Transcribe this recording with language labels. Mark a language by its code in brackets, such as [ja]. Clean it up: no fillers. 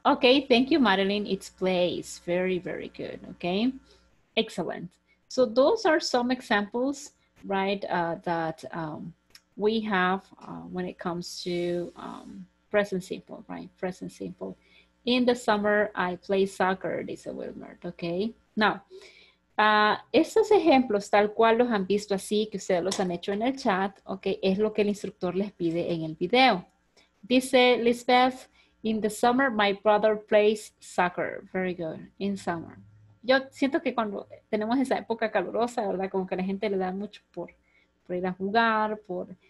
[en] Ok, thank you, Marilyn. It's plays. Very, very good, ok. Excellent. So those are some examples, right, that we have when it comes to present simple, right? Present simple. In the summer, I play soccer, dice Wilmer, okay? [es] Now, estos ejemplos, tal cual los han visto así, que ustedes los han hecho en el chat, okay, es lo que el instructor les pide en el video. [en] Dice Lisbeth, in the summer, my brother plays soccer. Very good, in summer. [es] Yo siento que cuando tenemos esa época calurosa, ¿verdad? Como que la gente le da mucho por ir a jugar, por...